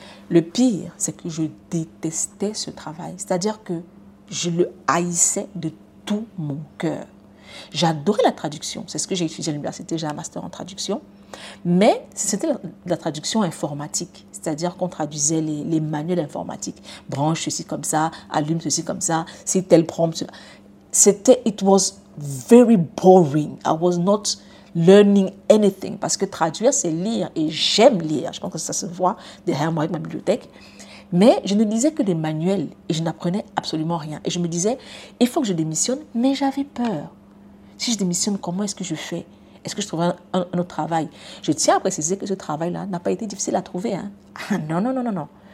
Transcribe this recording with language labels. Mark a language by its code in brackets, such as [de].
[fr] Le pire, c'est que je détestais ce travail. C'est-à-dire que je le haïssais de tout mon cœur. J'adorais la traduction. C'est ce que j'ai étudié à l'université, j'ai un master en traduction. Mais c'était la traduction informatique, c'est-à-dire qu'on traduisait les manuels informatiques. Branche ceci comme ça, allume ceci comme ça, c'est tel prompt. [en] It was very boring. I was not learning anything. [fr] Parce que traduire, c'est lire et j'aime lire. Je pense que ça se voit derrière moi avec ma bibliothèque. Mais je ne lisais que des manuels et je n'apprenais absolument rien. Et je me disais, il faut que je démissionne, mais j'avais peur. Si je démissionne, comment est-ce que je fais? Est-ce que je trouverai un autre travail? Je tiens à préciser que ce travail-là n'a pas été difficile à trouver. Hein? Non.